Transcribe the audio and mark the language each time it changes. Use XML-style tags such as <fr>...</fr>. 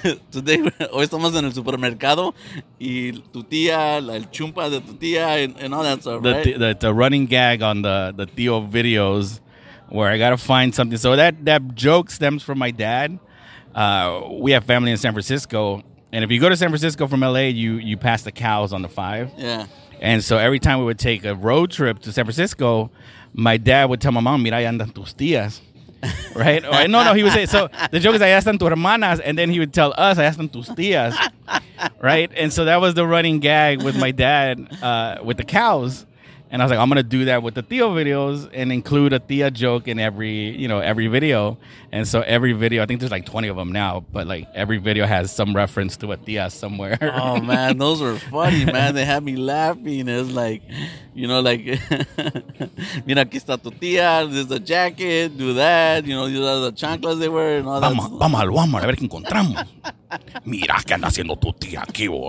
<es>Today, hoy estamos en el supermercado, y tu tía, el chumpa de tu tía,</es> <en>and all that stuff, right? The running gag on the Tio videos, where I got to find something. So that joke stems from my dad. We have family in San Francisco. And if you go to San Francisco from L.A., you pass the cows on the 5. Yeah. And so every time we would take a road trip to San Francisco, my dad would tell my mom,</en> <es>mira, ahí andan tus tías,</es> <en>right? Or, no, he would say, so the joke is,</en> <es>ahí están tus hermanas,</es> <en>and then he would tell us,</en> <es>ahí están tus tías,</es> <en>right? And so that was the running gag with my dad with the cows. And I was like, I'm going to do that with the Tio videos and include a tía joke in every, you know, every video. And so every video, I think there's like 20 of them now, but like every video has some reference to a tía somewhere. Oh, man, those were funny, man. They had me laughing. It's like, you know, like,</en> <es>mira, aquí está tu tía.</es> <en>There's a jacket. Do that. You know, these are the chanclas they wear and all that.</en> <es>Vamos al Walmart a ver qué encontramos. Mira que anda haciendo tu tía aquí.</es>